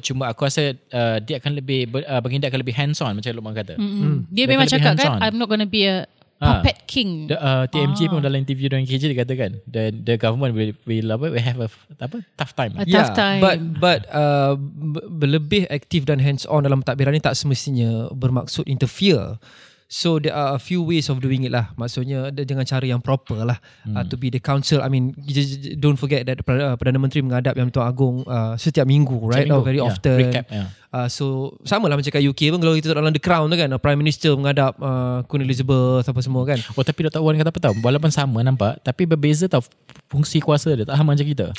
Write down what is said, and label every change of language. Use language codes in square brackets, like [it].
[ms] Cuma aku rasa dia akan lebih, baginda akan lebih hands on macam Luqman kata. Dia memang cakap kan, [en] I'm not going to be a puppet king. [ms] TMG pun dalam interview dengan KJ dia kata kan, [en] the government will have a tough time. [ms] But berlebih aktif dan hands on dalam pentadbiran ni tak semestinya bermaksud interfere. [en] So there are a few ways of doing it lah. [ms] Maksudnya dengan cara yang proper lah. [en] To be the council, I mean, don't forget that [ms] Perdana Menteri menghadap Yang Tuan Agong setiap minggu, [en] right? [ms] Minggu. [en] Very often. [ms] So sama lah macam kat UK pun, kalau kita dalam The Crown tu kan, Prime Minister menghadap Queen Elizabeth apa semua kan. Oh, tapi Dr. Wan kata apa tau, walaupun sama nampak tapi berbeza tau fungsi kuasa dia, tak sama macam kita.